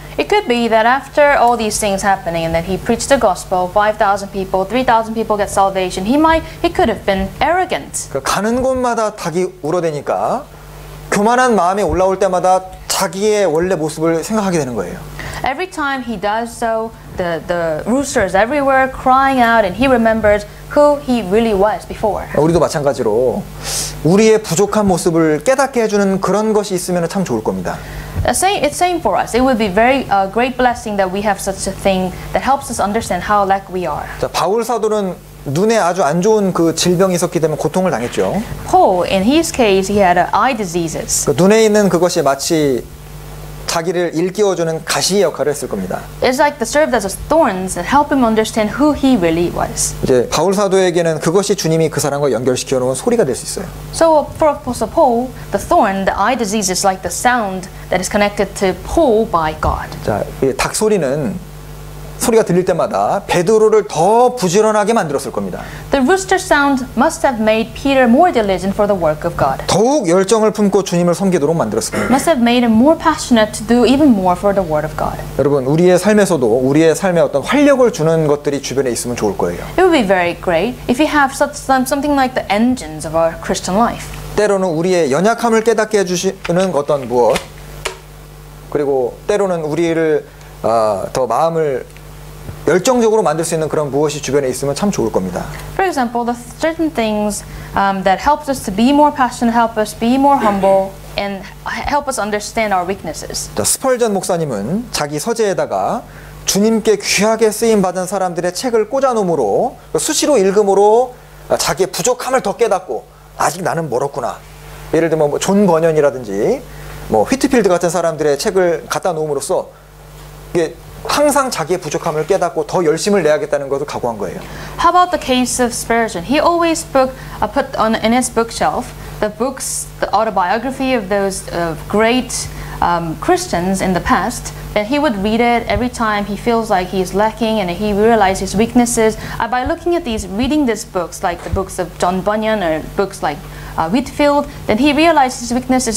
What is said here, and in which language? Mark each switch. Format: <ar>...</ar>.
<en>It could be that after all these things happening and that he preached the gospel, 5,000 people, 3,000 people get salvation, he could have been arrogant.</en> <ko>가는 곳마다 닭이 울어대니까 교만한 마음이 올라올 때마다 자기의 원래 모습을 생각하게 되는 거예요.</ko> <en>Every time he does so, the rooster is everywhere crying out and he remembers who he really was before.</en> <ko>우리도 마찬가지로 우리의 부족한 모습을 깨닫게 해주는 그런 것이 있으면 참 좋을 겁니다.</ko> <en>It's same for us. It would be very a great blessing that we have such a thing that helps us understand how lack we are.</en> <ko>자, 바울 사도는 눈에 아주 안 좋은 그 질병이 있었기 때문에 고통을 당했죠.</ko> <en>Paul, in his case, he had eye diseases.</en> <ko>그 눈에 있는 그것이 마치 자기를 일깨워주는 가시 역할을 했을 겁니다.</ko> <en>It's like the served as a thorns that help him understand who he really was.</en> <ko>이제 바울 사도에게는 그것이 주님이 그 사람과 연결시켜 놓은 소리가 될 수 있어요.</ko> <en>So for Apostle Paul, the thorn, the eye disease is like the sound that is connected to Paul by God.</en> <ko>자, 이 닭 소리는 소리가 들릴 때마다 베드로를 더 부지런하게 만들었을 겁니다.</ko> <en>The rooster sound must have made Peter more diligent for the work of God.</en> <ko>더욱 열정을 품고 주님을 섬기도록 만들었을 겁니다.</ko> <en>Must have made him more passionate to do even more for the word of God.</en> <ko>여러분, 우리의 삶에서도 우리의 삶에 어떤 활력을 주는 것들이 주변에 있으면 좋을 거예요.</ko> <en>It would be very great if we have something like the engines of our Christian life.</en> <ko>때로는 우리의 연약함을 깨닫게 해 주시는 어떤 무엇, 그리고 때로는 우리를 더 마음을 열정적으로 만들 수 있는 그런 무엇이 주변에 있으면 참 좋을 겁니다.</ko> <en>For example, the certain things that helps us to be more passionate, help us be more humble, and help us understand our weaknesses.</en> <ko>스펄전 목사님은 자기 서재에다가 주님께 귀하게 쓰임 받은 사람들의 책을 꽂아놓으므로 수시로 읽음으로 자기의 부족함을 더 깨닫고 아직 나는 멀었구나. 예를 들면 뭐 존 번연이라든지 뭐 휘트필드 같은 사람들의 책을 갖다 놓음으로써 이게 항상 자기의 부족함을 깨닫고 더 열심을 내야겠다는 것을 각오한 거예요.</ko> <en>How about the case of Spurgeon? He always put on in his bookshelf the books, the autobiography of those great Christians in the past. And he would read it every time he feels like he is lacking and he realizes his weaknesses. By looking at these, reading these books, like the books of John Bunyan or books like Whitfield, then he realizes his weaknesses.</en>